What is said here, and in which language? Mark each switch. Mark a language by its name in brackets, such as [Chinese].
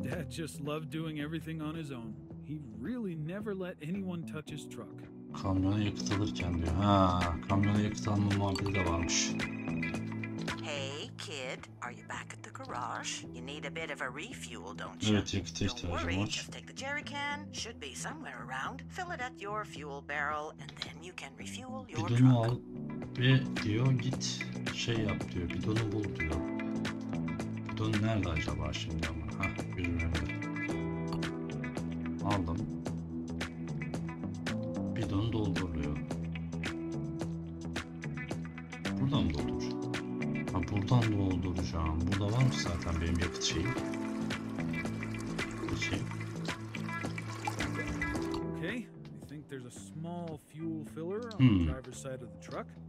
[English] Just loved doing everything on his own. He really never let anyone touch his truck. [Turkish] Kamyona yakıt alırken diyor. Ha, kamyona yakıt alma muhabbeti de varmış. [English] Hey kid, are you back at the garage? You need a bit of a refuel, don't you? [Turkish] Evet, yakıt ihtiyacım var. [English] Don't worry, just take the jerry can. Should be somewhere around. Fill it at your fuel barrel and then you can refuel your truck. [Turkish] Bidonu al ve diyor git şey yap diyor. Bidonu bul diyor. Bidon nerede acaba şimdi ama? Ha. Aldım. Bidonu dolduruyor. burada mı doldur? Ha buradan dolduracağım. Burada var mı zaten benim yakıt şeyim? Bu şey. [English] Okay. I think there's a small fuel filler on the driver's side of the truck.